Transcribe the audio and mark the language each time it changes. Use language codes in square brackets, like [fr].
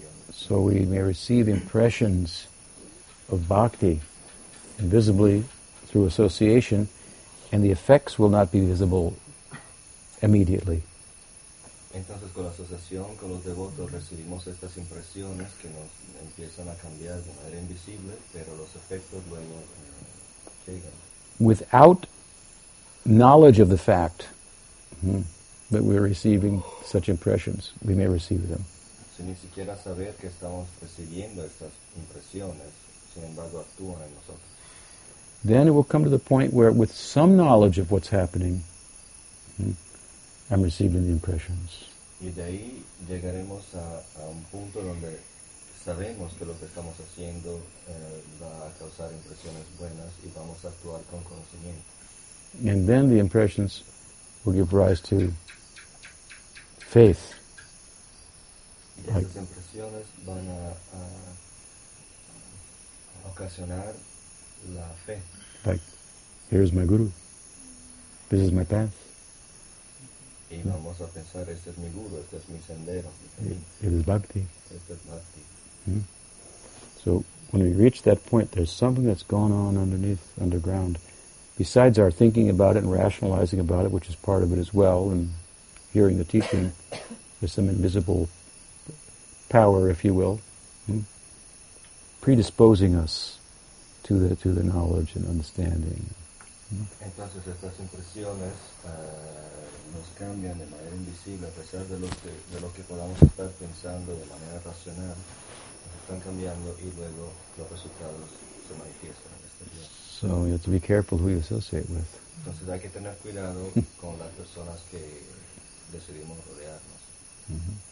[en] So we may receive impressions of bhakti visibly through association, and the effects will not be visible immediately. [es] Entonces con la asociación con los devotos recibimos estas impresiones que nos empiezan a cambiar de manera invisible, pero los efectos luego llegan. [en] Without knowledge of the fact that we're receiving such impressions, we may receive them. [es] Sin ni siquiera saber que estamos recibiendo estas impresiones, sin embargo actúan en nosotros. [en] Then it will come to the point where, with some knowledge of what's happening, I'm receiving the impressions. [es] Y de ahí llegaremos a un punto donde sabemos que lo que estamos haciendo va a causar impresiones buenas y vamos a actuar con conocimiento. [en] And then the impressions will give rise to faith. [es] Like, esas impresiones van a ocasionar la fe. [en] Like, here's my guru. This is my path. [es] Y vamos a pensar, este es mi guru, este es mi sendero. [en] It is bhakti. [es] Este es bhakti. [en] So when we reach that point, there's something that's gone on underneath, underground, besides our thinking about it and rationalizing about it, which is part of it as well, and hearing the teaching, there's some invisible power, if you will, predisposing us to the knowledge and understanding. [es] Entonces estas impresiones nos cambian de manera invisible a pesar de lo que podamos estar pensando de manera racional, están cambiando y luego los resultados se manifiestan en este día. [en] So you have to be careful who you associate with. [es] Entonces hay que tener cuidado con las personas que decidimos rodearnos.